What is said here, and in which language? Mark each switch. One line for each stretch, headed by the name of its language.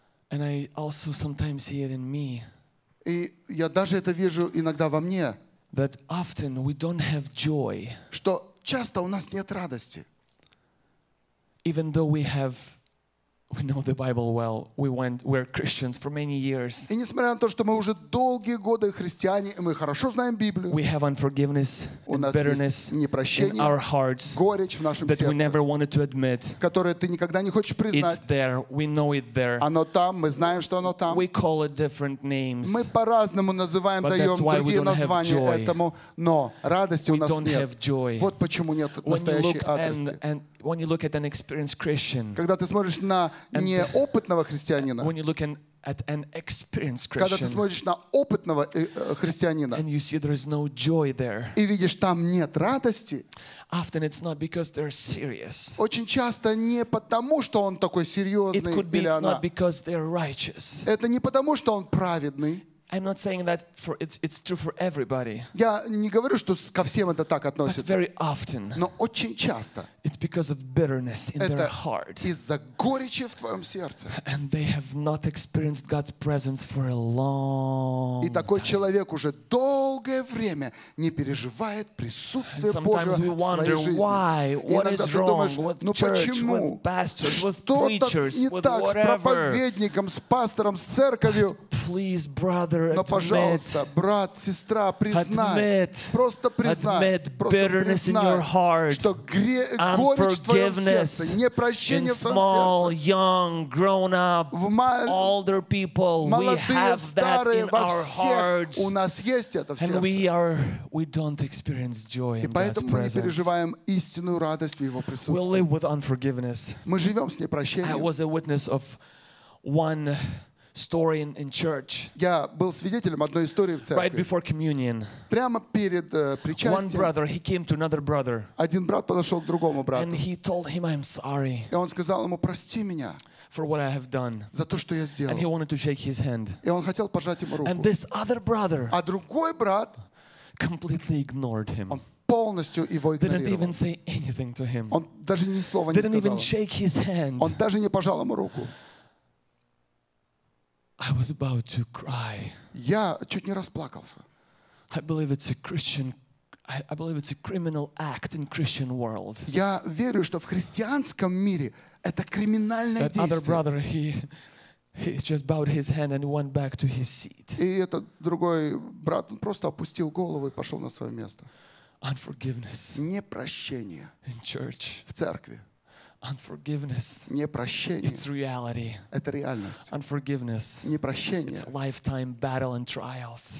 English: And I also sometimes see it in me.
Russian: И я даже это вижу иногда во мне.
English: That often we don't have joy.
Russian: Что часто у нас нет радости.
English: Even though we know the Bible well, we're Christians for many years.
Russian: И несмотря на то, что мы уже долгие годы христиане, мы хорошо знаем Библию.
English: We have unforgiveness, bitterness,
Russian: непрощение,
English: in our hearts,
Russian: горечь в нашем
English: that
Russian: сердце,
English: we never wanted to admit.
Russian: Которое ты никогда не хочешь признать.
English: It's there. We know it there.
Russian: Оно там. Мы знаем, что оно там.
English: We call it different names.
Russian: Мы по-разному называем, даем другие названия этому, но радости у нас нет.
English: Have joy.
Russian: Вот почему нет настоящей радости.
English: When you look at an experienced Christian,
Russian: когда ты смотришь на неопытного христианина,
English: when you look at an experienced
Russian: Christian, когда ты смотришь на опытного христианина,
English: and you see there is no joy there,
Russian: и видишь, там нет радости,
English: often it's not because they're serious.
Russian: Очень часто не потому, что он такой серьезный,
English: it could be
Russian: или
English: it's
Russian: она.
English: Not because they're righteous.
Russian: Это не потому, что он праведный.
English: I'm not saying that for it's true for everybody.
Russian: Я не говорю, что ко всем это так относится.
English: But very often.
Russian: Но очень часто.
English: It's because of bitterness in their heart.
Russian: Это из-за горечи в твоем сердце.
English: And they have not experienced God's presence for a long time.
Russian: И такой человек уже долгое время не переживает присутствие Божьего в своей жизни.
English: Sometimes we wonder why, what is wrong with church, with pastors, with preachers, with whatever.
Russian: Что-то не так с проповедником, с пастором, с церковью.
English: Please, brother, admit.
Russian: Но, пожалуйста, брат, сестра, признай.
English: Admit.
Russian: Просто признай.
English: Admit bitterness in your heart.
Russian: Что горечь в твоем сердце, непрощение в твоем сердце.
English: Young, grown up, older people,
Russian: молодые,
English: we have
Russian: старые,
English: that in our hearts.
Russian: У нас есть это в сердце.
English: And we don't experience joy in God's presence.
Russian: И поэтому мы не переживаем истинную радость в его присутствии.
English: We live with unforgiveness.
Russian: Мы живем с непрощением.
English: I was a witness of one story in church.
Russian: Я был свидетелем одной истории в церкви.
English: Right before communion.
Russian: Прямо перед причастием.
English: One brother, he came to another brother.
Russian: Один брат подошел к другому брату.
English: And he told him, "I'm sorry."
Russian: И он сказал ему: "Прости меня."
English: For what I have done.
Russian: За то, что я сделал.
English: And he wanted to shake his hand.
Russian: И он хотел пожать ему руку.
English: And this other brother.
Russian: А другой брат
English: completely ignored him.
Russian: Полностью его игнорировал.
English: Didn't even say anything to him.
Russian: Он даже ни слова не сказал.
English: Didn't even shake his hand.
Russian: Он даже не пожал ему руку.
English: I was about to cry.
Russian: Я чуть не расплакался.
English: I believe it's a criminal act in Christian world.
Russian: Я верю, что в христианском мире это криминальное действие.
English: That other brother, he just bowed his hand and went back to his seat.
Russian: И этот другой брат, он просто опустил голову и пошел на свое место.
English: Unforgiveness.
Russian: Непрощение.
English: In church.
Russian: В церкви.
English: Unforgiveness.
Russian: Непрощение.
English: It's reality.
Russian: Это реальность.
English: Unforgiveness.
Russian: Непрощение.
English: It's lifetime battle and trials.